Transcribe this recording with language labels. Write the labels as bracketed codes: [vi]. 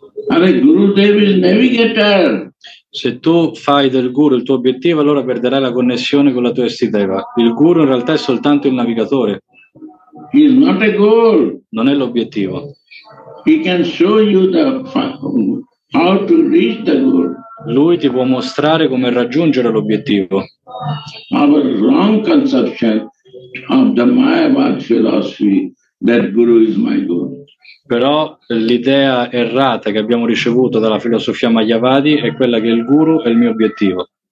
[en] Are Gurudev is navigator. [it] Se tu fai del guru il tuo obiettivo, allora perderai la connessione con la tua Istadeva. Il guru in realtà è soltanto il navigatore. [en] He is not a goal. [it] Non è l'obiettivo. [en] He can show you the how to reach the goal. [it] Lui ti può mostrare come raggiungere l'obiettivo. [en] Our wrong conception of the Mayavad philosophy that guru is my goal. [it] Però l'idea errata che abbiamo ricevuto dalla filosofia Mayavadi è quella che il guru è il mio obiettivo.